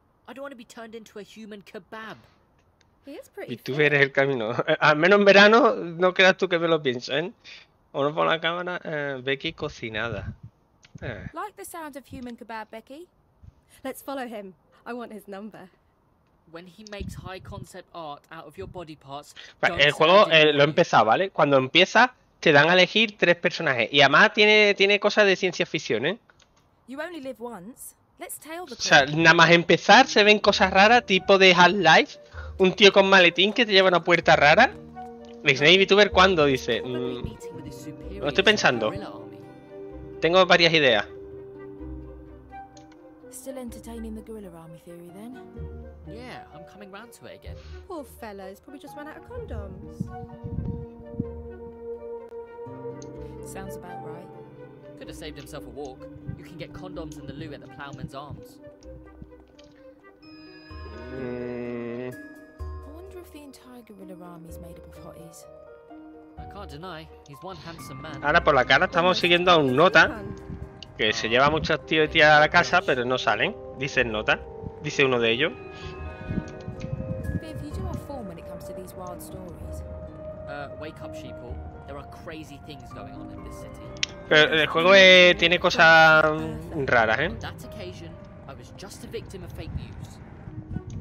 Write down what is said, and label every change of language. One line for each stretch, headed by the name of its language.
English: I don't want to be turned into a human kebab. He is pretty.
Spanish: Y tú eres el camino. Al menos en verano no creas tú que me lo pienso, ¿eh? O no pon la cámara, Becky cocinada.
English: Like the sound of human kebab, Becky. Let's follow him. I want his number. When he makes high concept art out of your body parts.
Spanish: El juego lo he empezado, ¿vale? Cuando empieza te dan a elegir tres personajes. Y además tiene cosas de ciencia ficción, ¿eh?
English: You only live once. Let's tail the
Spanish: o sea, nada más empezar se ven cosas raras, tipo de Half-Life. Un tío con maletín que te lleva a una puerta rara. Disney VTuber, ¿cuándo? Dice. Lo estoy pensando. Tengo varias ideas.
English: Still entertaining the guerrilla army theory, then? Yeah, I'm coming round to it again. Poor fella, he's probably just run out of condoms. Sounds about right. Could have saved himself a walk. You can get condoms in the loo at the Plowman's Arms. I wonder if the entire guerrilla army is made up of hotties. I can't deny, he's one handsome man.
Spanish: Ahora por la cara estamos siguiendo a un nota que se lleva a muchos tíos y tías a la casa, pero no salen. Dice el nota, dice uno de ellos.
English: Viv, you do have form when it comes to these wild stories. Wake up, sheeple. There are crazy things going on in this city.
Spanish: Pero el juego tiene cosas raras, ¿eh?
English: That occasion, I was just a victim of fake news.